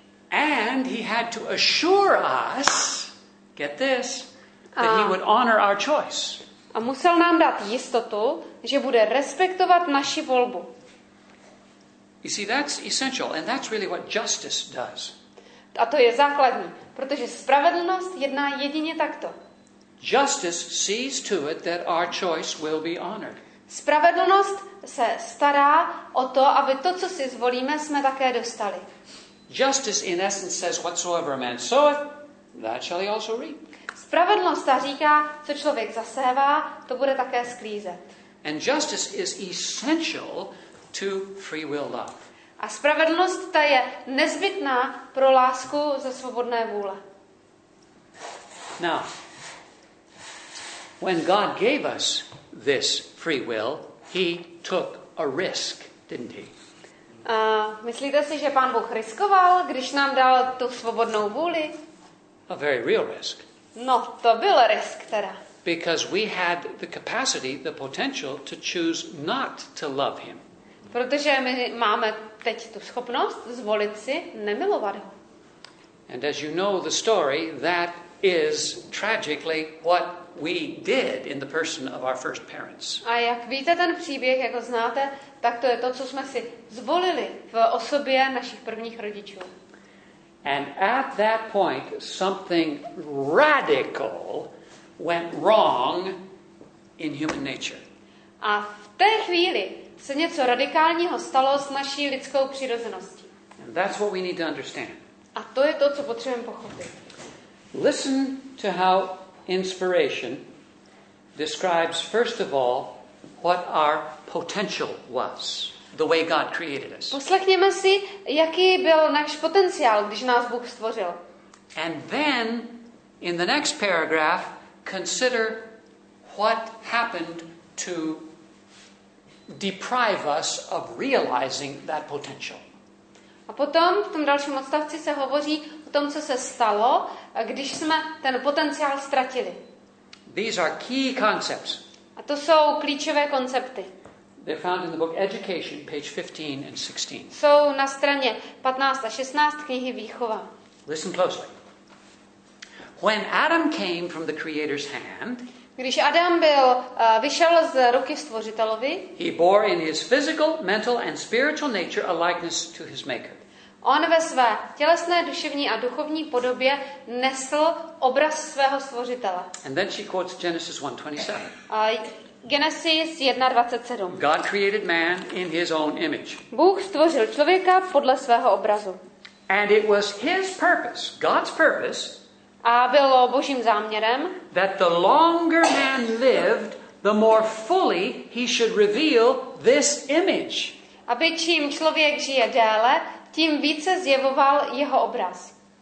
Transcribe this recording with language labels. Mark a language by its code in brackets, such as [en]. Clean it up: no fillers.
[en] And he had to assure us, get this, that he would honor our choice. [cs] A musel nám dát jistotu, že bude respektovat naši volbu. [en] You see, that's essential, and that's really what justice does. [cs] A to je základní, protože spravedlnost jedná jedině takto. [en] Justice sees to it that our choice will be honored. [cs] Spravedlnost se stará o to, aby to, co si zvolíme, jsme také dostali. [en] Justice in essence says whatsoever a man soweth, that shall he also reap. [cs] Spravedlnost ta říká, co člověk zasévá, to bude také sklízet. [en] And justice is essential to free will love. [cs] A spravedlnost ta je nezbytná pro lásku ze svobodné vůle. [en] Now, when God gave us this free will, he took a risk, didn't he? [cs] Myslíte si, že Pán Bůh riskoval, když nám dal tu svobodnou vůli? [en] A very real risk. [cs] No, to byl risk teda. [en] Because we had the capacity, the potential to choose not to love him. [cs] Protože my máme teď tu schopnost zvolit si nemilovat ho. [en] And as you know the story, that is tragically what we did in the person of our first parents. [cs] A jak víte ten příběh, jako znáte, tak to je to, co jsme si zvolili v osobě našich prvních rodičů. [en] And at that point something radical went wrong in human nature. [cs] A v té chvíli se něco radikálního stalo s naší lidskou přirozeností. [en] And that's what we need to understand. [cs] A to je to, co potřebujeme pochopit. [en] Listen to how inspiration describes first of all what our potential was, the way God created us. [cs] Poslechněme si, jaký byl náš potenciál, když nás Bůh stvořil. [en] And then in the next paragraph consider what happened to deprive us of realizing that potential. [cs] A potom v tom dalším odstavci se hovoří o tom, co se stalo, když jsme ten potenciál ztratili. [en] These are key concepts. [cs] A to jsou klíčové koncepty. [en] They're found in the book Education, page 15 and 16. [cs] Jsou na straně 15 a 16 knihy Výchova. [en] Listen closely. When Adam came from the Creator's hand, [cs] když Adam byl vyšel z ruky Stvořitelovi, [en] he bore in his physical, mental and spiritual nature a likeness to his maker. [cs] On ve své tělesné, duševní a duchovní podobě nesl obraz svého Stvořitele. [en] And then she quotes Genesis 1:27. [cs] Genesis 1:27. [en] God created man in his own image. [cs] Bůh stvořil člověka podle svého obrazu. [en] And it was his purpose, God's purpose, [cs] a bylo Božím záměrem, [en] that the longer man lived, the more fully he should reveal this image. [cs] Aby čím člověk žije déle, tím více zjevoval jeho obraz.